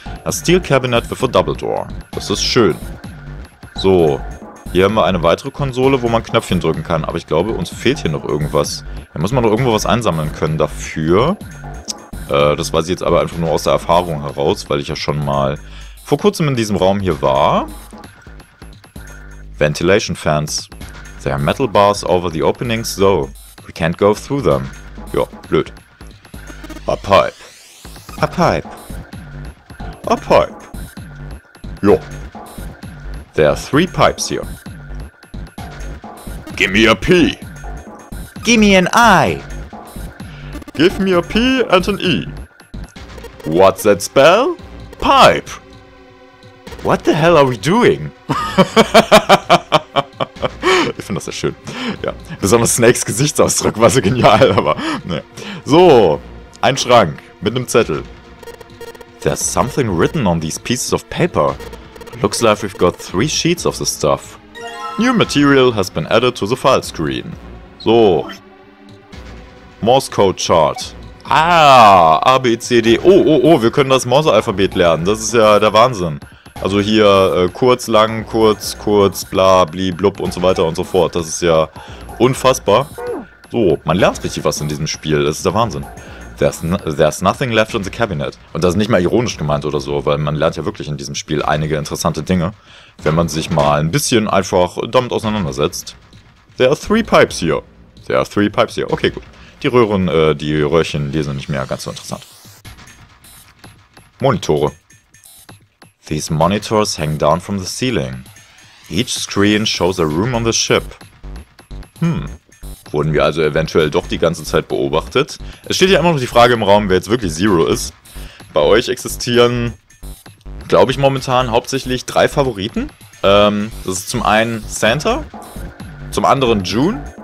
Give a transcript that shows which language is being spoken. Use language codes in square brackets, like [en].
[en] A Steel Cabinet with a Double Door. [de] Das ist schön. So, hier haben wir eine weitere Konsole, wo man Knöpfchen drücken kann. Aber ich glaube, uns fehlt hier noch irgendwas. Da muss man doch irgendwo was einsammeln können dafür. Das weiß ich jetzt aber einfach nur aus der Erfahrung heraus, weil ich ja schon mal vor kurzem in diesem Raum hier war. [en] Ventilation Fans. There are metal bars over the openings, so we can't go through them. [de] Ja, blöd. [en] A pipe. A pipe. A pipe. Ja. There are three pipes here. Give me a P. Give me an I. Give me a P and an E. What's that spell? Pipe. What the hell are we doing? [de] Ich finde das sehr schön. Ja, besonders Snakes Gesichtsausdruck war so genial, aber. Ne. So, ein Schrank mit einem Zettel. [en] There's something written on these pieces of paper. Looks like we've got three sheets of the stuff. New material has been added to the file screen. So. Morse Code Chart. [de] Ah, A, B, C, D. Oh, wir können das Morse-Alphabet lernen. Das ist ja der Wahnsinn. Also hier kurz, lang, kurz, kurz, bla, bli, blub und so weiter und so fort. Das ist ja unfassbar. So, man lernt richtig was in diesem Spiel. Das ist der Wahnsinn. [en] There's nothing left in the cabinet. [de] Und das ist nicht mal ironisch gemeint oder so, weil man lernt ja wirklich in diesem Spiel einige interessante Dinge, wenn man sich mal ein bisschen einfach damit auseinandersetzt. [en] There are three pipes here. [de] There are three pipes here. Okay, gut. Die Röhrchen, die sind nicht mehr ganz so interessant. Monitore. [en] These monitors hang down from the ceiling. Each screen shows a room on the ship. [de] Wurden wir also eventuell doch die ganze Zeit beobachtet? Es steht ja immer noch die Frage im Raum, wer jetzt wirklich Zero ist. Bei euch existieren, glaube ich, momentan hauptsächlich drei Favoriten. Das ist zum einen Santa, zum anderen June.